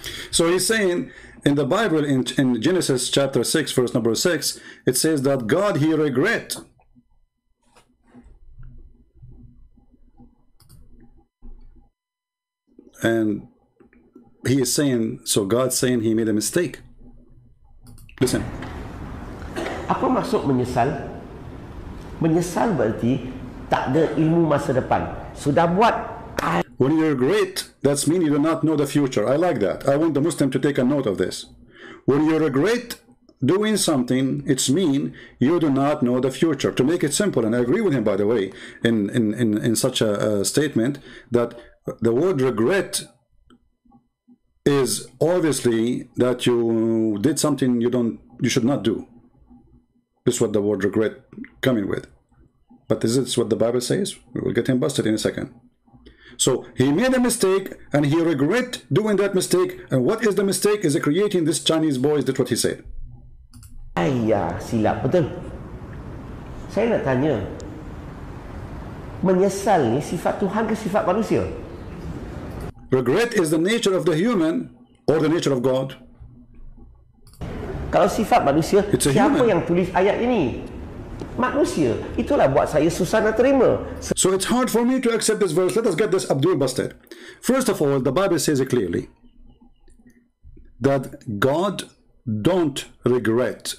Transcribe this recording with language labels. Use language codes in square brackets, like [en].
[en] So he's saying in the Bible, in Genesis chapter 6, verse number 6, it says that God, he regret. And he is saying, so God's saying he made a mistake. Listen. [ms] Apa maksud menyesal? Menyesal berarti tak ada ilmu masa depan. Sudah buat. [en] When you regret, that means you do not know the future. I like that. I want the Muslim to take a note of this. When you regret doing something, it's mean you do not know the future. To make it simple, and I agree with him, by the way, in such a statement, that the word regret is obviously that you did something you should not do. This is what the word regret coming with. But is this what the Bible says? We will get him busted in a second. So he made a mistake and he regret doing that mistake. And what is the mistake? Is it creating this Chinese boy? Is that what he said? [ms] Ayah, silap. Betul. Saya nak tanya. Menyesal ni sifat Tuhan ke sifat manusia? [en] Regret is the nature of the human or the nature of God? [ms] Kalau sifat manusia, siapa yang tulis ayat ini? Manusia. Itulah buat saya susah nak terima. [en] So it's hard for me to accept this verse. Let us get this Abdul busted. First of all, the Bible says it clearly that God don't regret.